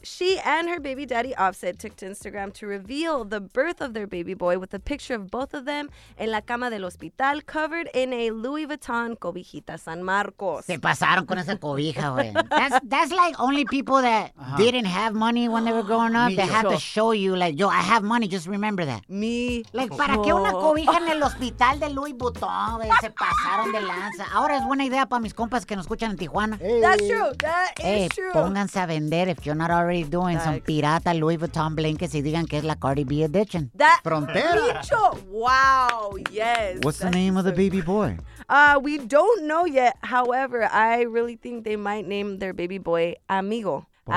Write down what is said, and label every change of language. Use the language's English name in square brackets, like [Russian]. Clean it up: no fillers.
[English] She and her baby daddy Offset took to Instagram to reveal the birth of their baby boy with a picture of both of them [Spanish] en la cama del hospital [English] covered in a Louis Vuitton cobijita San Marcos. [Spanish] Se pasaron con esa cobija, güey. [English] That's like only people that didn't have money when they were growing up. They had to show you, like, yo, I have money, just remember that. Me. [Spanish] Like, ¿para qué una cobija en el hospital de Louis Vuitton, güey? Se pasaron de lanza. Ahora es buena idea para mis compas que nos escuchan en Tijuana. [English] Hey. That's true. That is true. [Spanish] Pónganse a vender [English] if you're not already doing Thanks. [Spanish] Some pirata Louis Vuitton blankets y digan que es la Cardi B edition. [English] That [Spanish] Frontera. [English] Bicho. Wow. Yes. What's the name of the baby boy? We don't know yet. However, I really think they might name their baby boy Amigo. Okay.